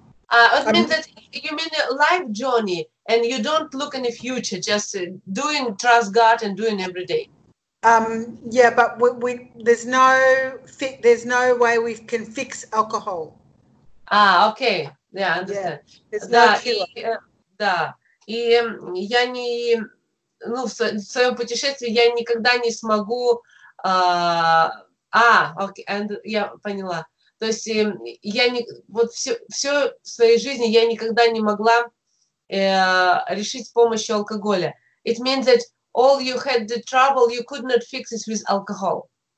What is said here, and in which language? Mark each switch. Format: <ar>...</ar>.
<en>Life journey, and you don't look in the future, just doing trust God and doing every day. But we there's no way we can fix alcohol.</en> <ru>Окей, я</ru> <en>understand.</en> <ru>Да, и я не, ну, в своем путешествии я никогда не смогу, я поняла. То есть я не, вот все в своей жизни я никогда не могла решить с помощью алкоголя.</ru> <en>It means that all you had the trouble, you could not fix it with alcohol.</en>